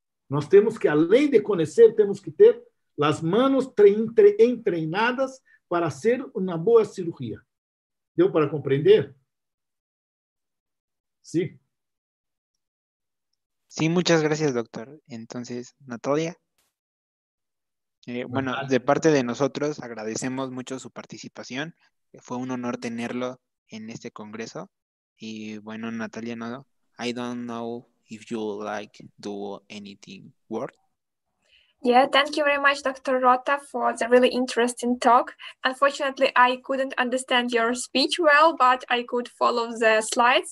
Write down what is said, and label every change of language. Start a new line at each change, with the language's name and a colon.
Portuguese: Nós temos que, além de conhecer, temos que ter as mãos treinadas para ser uma boa cirurgia. Deu para compreender? Sim.
Spanish: Sim, muitas gracias, doctor.
Portuguese: Então,
Spanish: Natalia, bueno, de parte de nosotros, agradecemos mucho su participación. Fue un honor tenerlo en este congreso. Y bueno, Natalia, no,
English: I don't know if you like do anything work. Yeah, thank you very much, Dr. Rota, for the really interesting talk. Unfortunately, I couldn't understand your speech well, but I could follow the slides.